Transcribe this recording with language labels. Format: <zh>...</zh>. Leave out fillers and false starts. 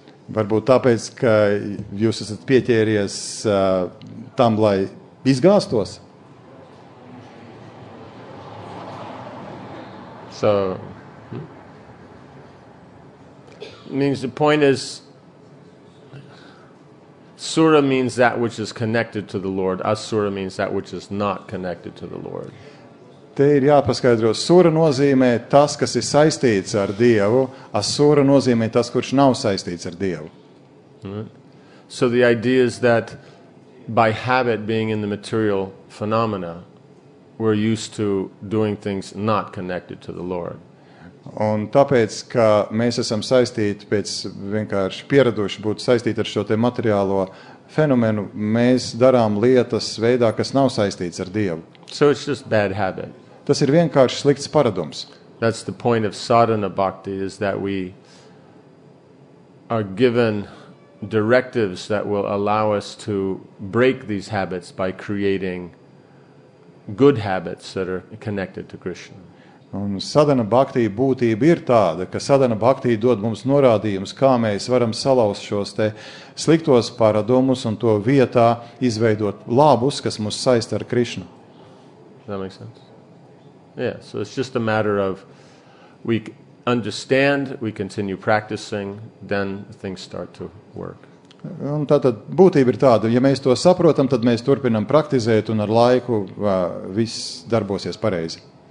<lv>Varbūt tāpēc, ka jūs esat pieķēries tam, lai izgāstos?</lv> <en>So, means the point is Sura means that which is connected to the Lord. Asura means that which is not connected to the Lord.</en> <lv>Te ir jāpaskaidro. Sura nozīmē tas, kas ir saistīts ar Dievu. Asura nozīmē tas, kurš nav saistīts ar Dievu.</lv> <en>So the idea is that by habit being in the material phenomena, we're used to doing things not connected to the Lord.</en> <lv>Un tāpēc, ka mēs esam saistīti pēc vienkārši pieraduši būt saistīti ar šo te materiālo fenomenu, mēs darām lietas veidā, kas nav saistīts ar Dievu.</lv> <en>So it's just bad habit.</en> <lv>Tas ir vienkārši slikts paradums.</lv> <en>That's the point of sadhana bhakti, is that we are given directives that will allow us to break these habits by creating good habits that are connected to Krishna.</en> <lv>Un sadhana bhakti būtība ir tāda, ka sadhana bhakti dod mums norādījumus, kā mēs varam salaust šos te sliktos paradumus un to vietā izveidot labus, kas mums saista ar Krišnu.</lv> <en>That makes sense. Yeah, so it's just a matter of we understand, we continue practicing, then things start to work.</en> <lv>Un tātad būtība ir tāda, ja mēs to saprotam, tad mēs turpinam praktizēt un ar laiku viss darbosies pareizi.</lv>